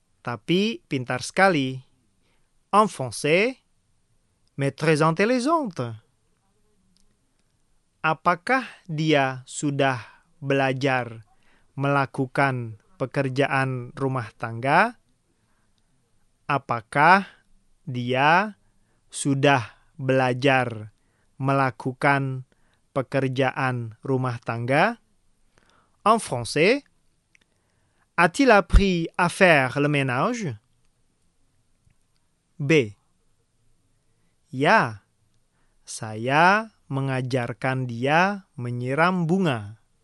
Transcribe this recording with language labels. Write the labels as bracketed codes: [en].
[id] Tapi pintar sekali. [fr] En français, mais très intelligente. [id] Apakah dia sudah belajar melakukan pekerjaan rumah tangga? Apakah dia sudah belajar melakukan pekerjaan rumah tangga? [fr] En français, a-t-il appris à faire le ménage? [id] B. Ya, saya mengajarkan dia menyiram bunga.